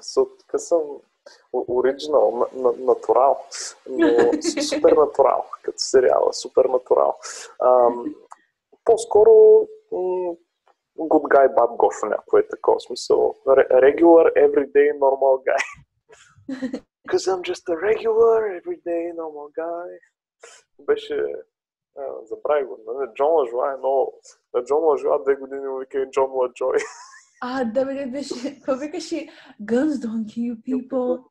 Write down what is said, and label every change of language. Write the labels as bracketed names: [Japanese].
[Bulgarian] Тук съм оригинал, натурал. Но супер натурал. Като сериала, супер натурал. По-скоро [English] good guy, bad guy [Bulgarian] в някой такова смисъл. [English] Regular, everyday, normal guy. Because I'm just a regular, everyday, normal guy. [Bulgarian] Беше... Забрави го. Джон Лъжуа е много... Джон Лъжуа 2 години му вика и Джон Лъджой. А, да бе, беше... Повикаше [English] Guns don't kill people.